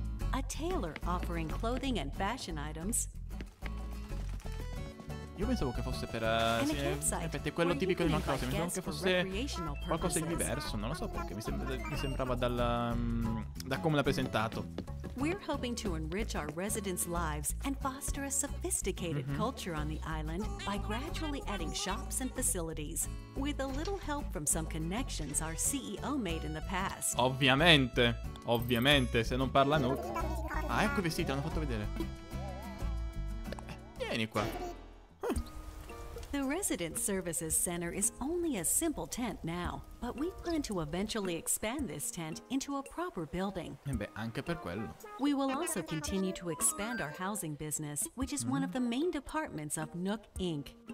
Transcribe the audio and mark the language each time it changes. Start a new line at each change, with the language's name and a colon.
English: A tailor offering clothing and fashion items.
Italian: Io pensavo che fosse per effetti quello tipico di Minecraft, pensavo che fosse qualcosa di diverso, non lo so perché mi sembrava da come l'ha presentato.
English: We're hoping to enrich our residents' lives and foster a sophisticated culture on the island by gradually adding shops and facilities with a little help from some connections our CEO made in the past.
Italian: Ovviamente, se non parla Nook. Ah, ecco i vestiti, hanno fatto vedere. Vieni qua.
English: The Residence Services Center is only a simple tent now, but we plan to eventually expand this tent into a proper building.
Italian: E beh, anche per quello.
English: We will also continue to expand our housing business, which is one of the main departments of Nook Inc.